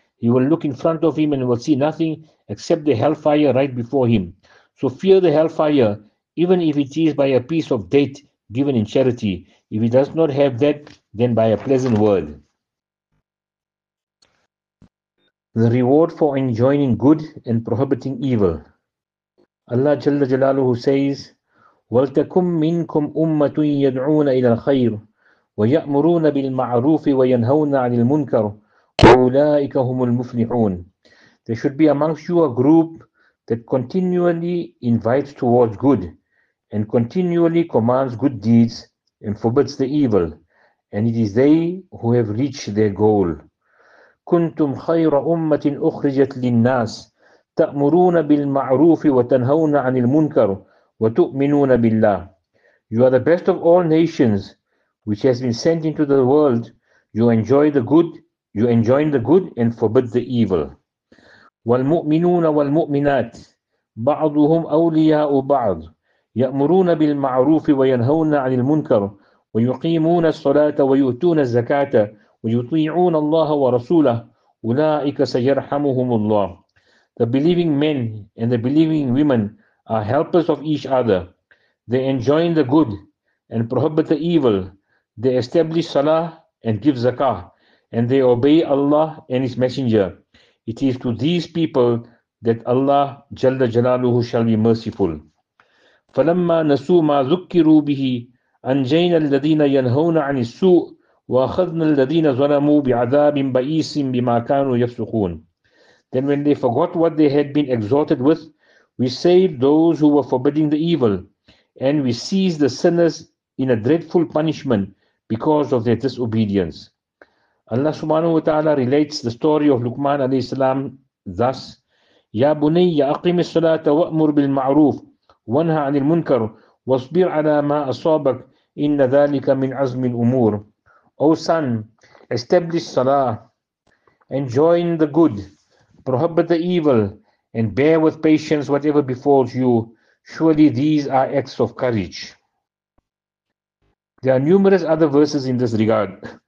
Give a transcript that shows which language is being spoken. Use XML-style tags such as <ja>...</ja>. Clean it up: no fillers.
<en>He will look in front of him and will see nothing except the hellfire right before him. So fear the hellfire, even if it is by a piece of date given in charity. If he does not have that, then by a pleasant word." The reward for enjoining good and prohibiting evil. Allah Jalla Jalaluhu says,</en> <ar>وَلْتَكُمْ مِنْكُمْ أُمَّةٌ يَدْعُونَ إِلَى الْخَيْرِ وَيَأْمُرُونَ بِالْمَعْرُوفِ وَيَنْهَوْنَ عَنِ الْمُنْكَرِ وَأُولَٰئِكَ هُمُ الْمُفْلِحُونَ.</ar> <en>There should be amongst you a group that continually invites towards good and continually commands good deeds and forbids the evil, and it is they who have reached their goal.</en> <ar>كنتم خير أمة أخرجت للناس تأمرون بالمعروف وتنهون عن المنكر وتؤمنون بالله.</ar> <en>You are the best of all nations which has been sent into the world. You enjoy the good, you enjoin the good and forbid the evil.</en> <ar>والمؤمنون والمؤمنات بعضهم أولياء بعض يأمرون بالمعروف وينهون عن المنكر ويقيمون الصلاة ويؤتون الزكاة وَيُطِيعُونَ اللَّهَ وَرَسُولَهُ أُولَٰئِكَ سَيَرْحَمُهُمُ اللَّهُ.</ar> <en>The believing men and the believing women are helpers of each other. They enjoin the good and prohibit the evil. They establish salah and give zakah, and they obey Allah and His Messenger. It is to these people that Allah Jalla Jalaluhu shall be merciful.</en> <ar>فَلَمَّا نَسُوا مَا ذُكِّرُوا بِهِ أَنْجَيْنَا الَّذِينَ يَنْهَوْنَ عَنِ السُّوءِ وَأَخَذْنَا الَّذِينَ ظَلَمُوا بِعَذَابٍ بَئِيسٍ بِمَا كَانُوا يَفْسُقُونَ.</ar> <en>Then when they forgot what they had been exhorted with, we saved those who were forbidding the evil, and we seized the sinners in a dreadful punishment because of their disobedience. Allah subhanahu wa ta'ala relates the story of Luqman alayhi salam thus,</en> <ar>يَا بُنَيَّ أَقِمِ الصَّلَاةَ وَأْمُرْ بِالْمَعْرُوفِ وَانْهَ عَنِ الْمُنْكَرِ وَاصْبِرْ عَلَى مَا أَصَابَكَ إِنَّ ذَلِكَ مِنْ عَزْمِ الْأُمُورِ.</ar> <en>O son, establish salah, enjoin the good, prohibit the evil, and bear with patience whatever befalls you. Surely these are acts of courage. There are numerous other verses in this regard.</en>